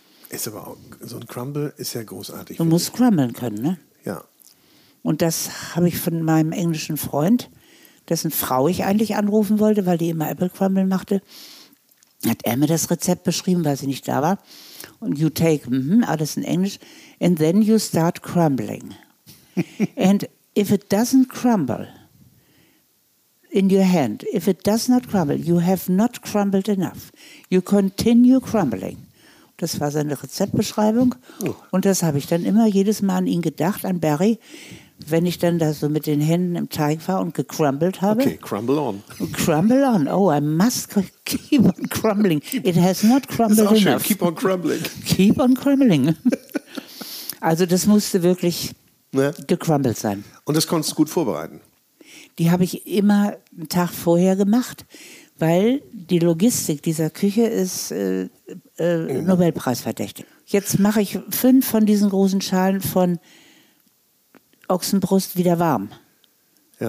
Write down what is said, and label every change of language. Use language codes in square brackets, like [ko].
[de] Ist aber auch, so ein Crumble ist ja großartig. Du musst crumblen können, ne? Ja. Und das habe ich von meinem englischen Freund, dessen Frau ich eigentlich anrufen wollte, weil die immer Apple Crumble machte, hat er mir das Rezept beschrieben, weil sie nicht da war. [en] Und you take, [de] alles in Englisch, [en] and then you start crumbling. And if it doesn't crumble in your hand, if it does not crumble, you have not crumbled enough. You continue crumbling. [de] Das war seine Rezeptbeschreibung. Und das habe ich dann immer jedes Mal an ihn gedacht, an Barry, wenn ich dann da so mit den Händen im Teig war und gecrumbled habe. [en] Okay, crumble on. Crumble on. Oh, I must keep on crumbling. It has not crumbled enough. [de] Schön. [en] Keep on crumbling. Keep on crumbling. [de] Also das musste wirklich gecrumbled sein. Und das konntest du gut vorbereiten? Die habe ich immer einen Tag vorher gemacht, weil die Logistik dieser Küche ist Nobelpreisverdächtig. Jetzt mache ich 5 von diesen großen Schalen von Ochsenbrust wieder warm. Ja.